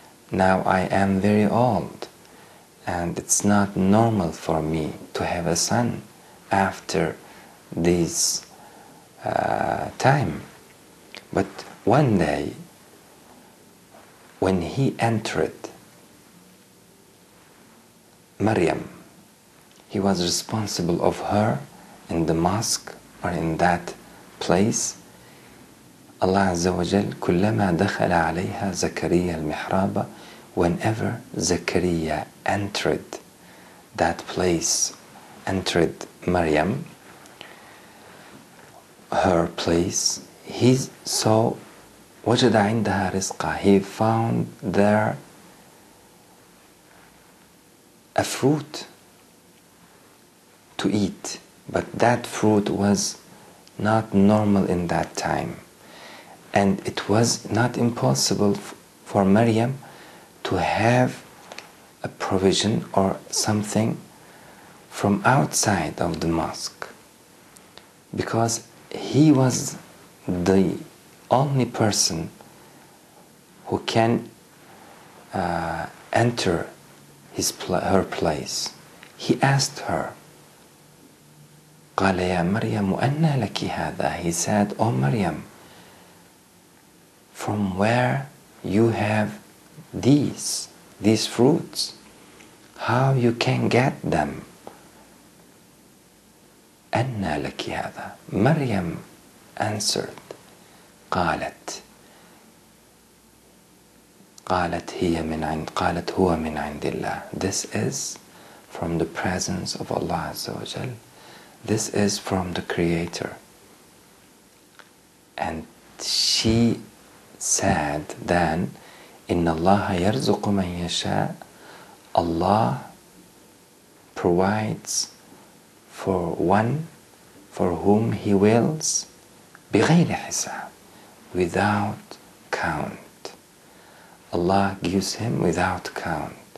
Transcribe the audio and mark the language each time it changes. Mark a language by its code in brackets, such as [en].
[en] Now I am very old, and it's not normal for me to have a son after this time. But one day, when he entered Maryam, he was responsible of her in the mosque or in that place. [ar] Allah Azza wa Jal, كُلَّمَا دَخَلَ عَلَيْهَا زَكَرِيَّا الْمِحْرَابَ. [en] Whenever Zakaria entered that place, entered Maryam, her place, he saw, [ar] وَجَدَ عِنْدَهَا رِزْقًا. [en] He found there a fruit to eat, but that fruit was not normal in that time, and it was not impossible for Maryam to have a provision or something from outside of the mosque, because he was the only person who can enter her place. He asked her, [ar] قَالَ يَا مَرْيَمُ أَنَّا لَكِ هَذَا. [en] He said, O Maryam, from where you have these? these fruits, how you can get them? [ar] أَنَّا لَكِ هَذَا. [en] Maryam answered, [ar] قَالَتْ هُوَ مِنْ عِنْدِ اللَّهِ. [en] This is from the presence of Allah Azza wa Jal. This is from the Creator. And she said then, [ar] إِنَّ اللَّهَ يَرْزُقُ مَنْ يَشَاءُ. [en] Allah provides for one for whom He wills, [ar] بِغَيْرِ حِسَابٍ, [en] without count. Allah gives him without count.